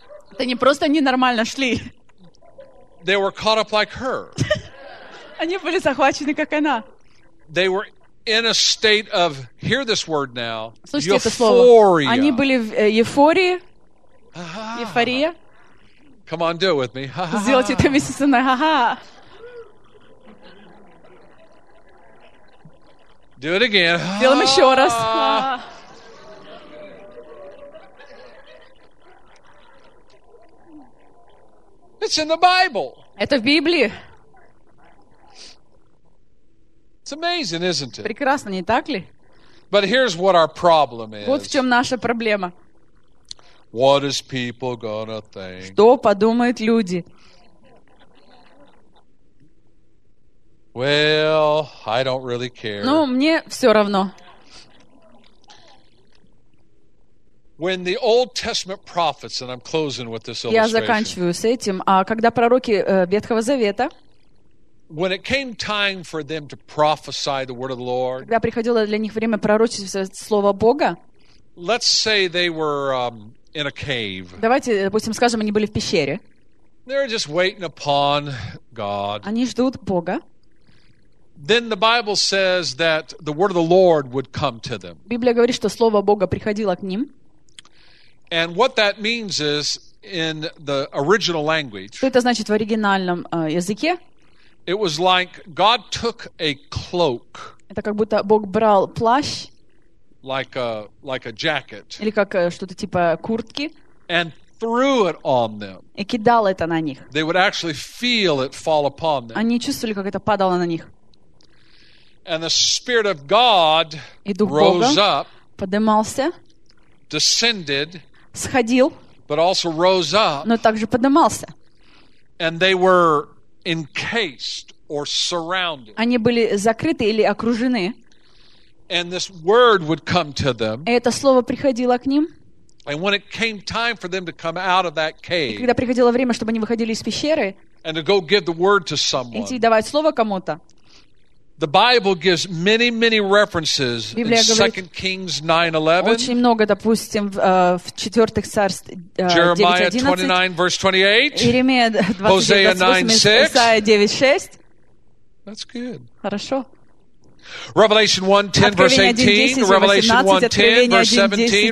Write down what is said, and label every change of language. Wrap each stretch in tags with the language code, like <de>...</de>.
<ru>Это не просто они нормально шли.</ru> <en>They were caught up like her.</en> <ru>Они были захвачены как она.</ru> <en>They were in a state of, hear this word now, euphoria.</en> <ru>Они были в эйфории. Эйфория.</ru> <en>Come on, do it with me.</en> <ru>Сделайте это вместе со мной. Ха-ха.</ru> <en>Do it again.</en> <ru>Делаем еще раз. Ah.</ru> <en>It's in the Bible.</en> <ru>Это в Библии.</ru> <en>It's amazing, isn't it?</en> <ru>Прекрасно, не так ли?</ru> <en>But here's what our problem is.</en> <ru>Вот в чем наша проблема.</ru> <en>What is people gonna think?</en> <ru>Что подумают люди?</ru> <en>Well, I don't really care.</en> <ru>Ну, мне все равно.</ru> <en>When the Old Testament prophets, and I'm closing with this illustration.</en> <ru>Я заканчиваю с этим. А когда пророки Ветхого Завета?</ru> <en>When it came time for them to prophesy the word of the Lord.</en> <ru>Когда приходило для них время пророчествовать слово Бога?</ru> <en>Let's say they were in a cave.</en> <ru>Давайте, допустим, скажем, они были в пещере.</ru> <en>They're just waiting upon God.</en> <ru>Они ждут Бога.</ru> <en>Then the Bible says that the word of the Lord would come to them.</en> <ru>Библия говорит, что слово Бога приходило к ним.</ru> <en>And what that means is in the original language.</en> <ru>Что это значит в оригинальном языке?</ru> <en>It was like God took a cloak.</en> <ru>Это как будто Бог брал плащ.</ru> <en>Like a jacket.</en> <ru>Или как что-то типа куртки.</ru> <en>And threw it on them.</en> <ru>И кидал это на них.</ru> <en>They would actually feel it fall upon them.</en> <ru>Они чувствовали, как это падало на них.</ru> <en>And the Spirit of God rose up.</en> <ru>Поднимался.</ru> <en>Descended,</en> <ru>сходил,</ru> <en>but also rose up,</en> <ru>но также поднимался.</ru> <en>And they were encased or surrounded.</en> <ru>Они были закрыты или окружены.</ru> <en>And this word would come to them.</en> <ru>И это слово приходило к ним.</ru> <en>And when it came time for them to come out of that cave,</en> <ru>и когда приходило время, чтобы они выходили из пещеры,</ru> <en>and to go give the word to someone,</en> <ru>идти давать слово кому-то.</ru> <en>The Bible gives many, many references in 2 Kings 9:11.</en> <ru>Очень много, допустим, в четвертых царств 9:11.</ru> <en>Jeremiah 29 verse 28.</en> <ru>Иеремия 29:6.</ru> <en>That's good.</en> <ru>Хорошо.</ru> <en>Revelation 1:10 verse 18. Revelation 1:10 verse 17.</en>